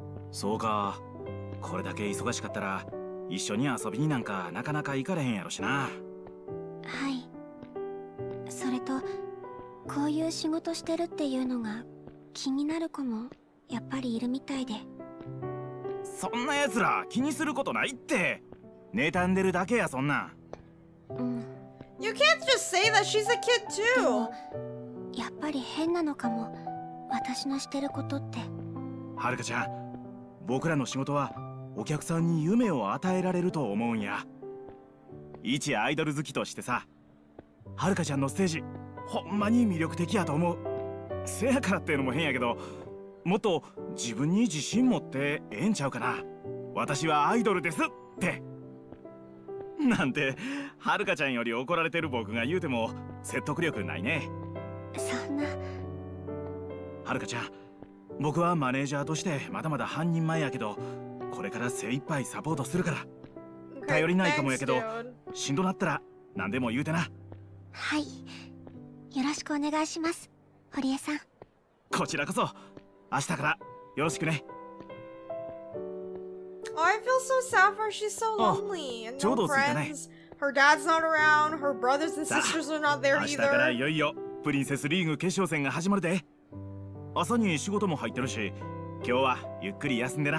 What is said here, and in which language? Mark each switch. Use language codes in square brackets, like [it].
[ja] そうか、これだけ忙しかったら一緒に遊びになんかなかなか行かれへんやろしな。はい。それとこういう仕事してるっていうのが気になる子もやっぱりいるみたいで。そんな奴ら気にすることないって。妬んでるだけや、そんな。うん。 [en] You can't just say that she's a kid too. [ja] やっぱり変なのかも、私のしてることって。はるかちゃん、僕らの仕事はお客さんに夢を与えられると思うんや。一アイドル好きとしてさ、はるかちゃんのステージほんまに魅力的やと思う。せやからっていうのも変やけど、もっと自分に自信持ってええんちゃうかな。私はアイドルですってなんて、はるかちゃんより怒られてる僕が言うても説得力ないね。そんな。はるかちゃん、僕はマネージャーとしてまだまだ半人前やけど、これから精一杯サポートするから。頼りないかもやけど、しんどなったら何でも言うてな。はい、よろしくお願いします、堀江さん。こちらこそ、明日からよろしくね。 [en] I feel so sad for her. She's so lonely and no friends. Her dad's not around. Her brothers and sisters are not there either. [ja] 明日からいよいよプリンセスリーグ決勝戦が始まるで。朝に仕事も入ってるし、今日はゆっくり休んでな。